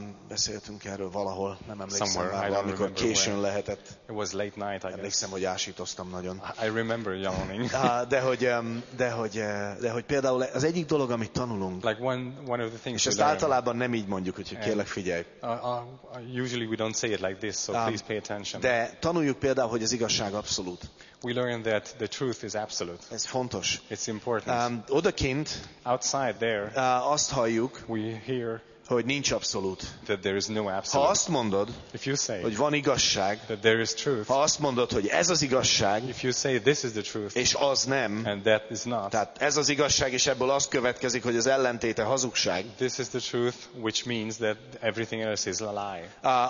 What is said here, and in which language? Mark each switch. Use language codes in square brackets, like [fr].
[hu] Beszéltünk erről valahol, nem emlékszem [en] somewhere, [hu] már, amikor későn [en] where. [hu] Lehetett. [en] It was late night, I [hu] emlékszem, [en] guess. [hu] Hogy ásítoztam nagyon. [en] I remember yawning. [hu] De hogy például az egyik dolog, amit tanulunk, [en] like one of the things, [hu] és ezt általában nem így mondjuk, úgyhogy kérlek figyelj. [en] Usually we don't say it like this, so please pay attention. [hu] De tanuljuk például, hogy az igazság abszolút. [en] We learn that the truth is absolute. [hu] Ez fontos. [en] It's important. [hu] Odakint, [en] outside there, [hu] azt halljuk, [en] we hear, [hu] hogy nincs abszolút. [en] That there is no absolute. [hu] Ha azt mondod, [en] if you say, [hu] hogy van igazság, [en] that there is truth, [hu] ha azt mondod, hogy ez az igazság, [en] if you say, this is the truth, [hu] és az nem, [en] and that is not, [hu] tehát ez az igazság, és ebből az következik, hogy az ellentéte hazugság, [en] this is the truth, which means that everything else is a lie.